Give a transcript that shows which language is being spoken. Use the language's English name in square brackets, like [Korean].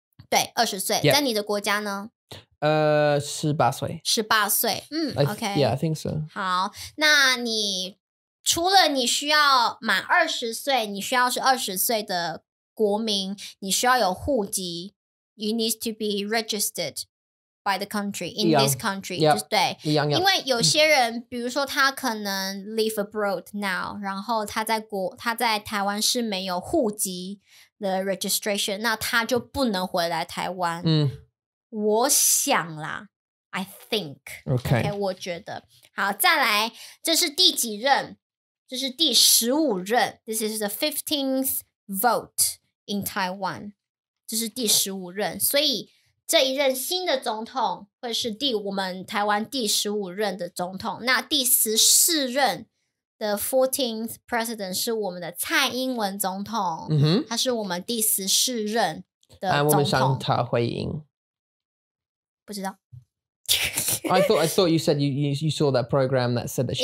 [Chinese] 对，二十岁。在你的国家呢？十八岁。 [English] Okay. Yeah, I think so. [Chinese] 好，那你除了你需要满二十岁，你需要是二十岁的国民，你需要有户籍。 [English] You need to be registered by the country in this country. Yeah. [Chinese] 就是对，因为有些人，比如说他可能 [English] live abroad now, [Chinese] 然后他在台湾是没有户籍的 registration, 那他就不能回来台湾。嗯。我想啦 [English] I think okay. [Chinese] OK 我觉得好再来这是第几任这是第十五任 [English] This is the 15th vote in Taiwan [Chinese] 这是第十五任所以这一任新的总统会是第我们台湾第十五任的总统那第十四任 [English] The 14th president [Chinese] 是我们的蔡英文总统、 [English] mm-hmm. [Chinese] 他是我们第十四任的总统我们想他会赢不知道。 [English] I thought you said you saw that program that said that she's